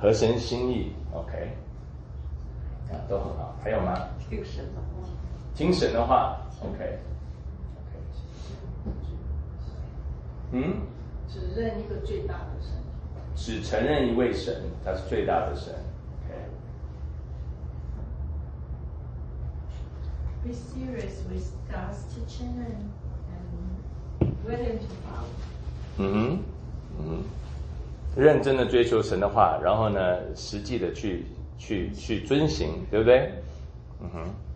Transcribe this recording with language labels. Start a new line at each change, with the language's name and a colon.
Chinese: 合神心意 ，OK。啊，都很好。还有吗？听神的话。听神的话 ，OK。嗯？只认一个最大的神。只承认一位神，他是最大的神。
English: OK。 Be serious with God's teaching and willing to follow.
Chinese: 嗯哼，嗯，认真的追求神的话，然后呢，实际的去遵行，对不对？嗯哼。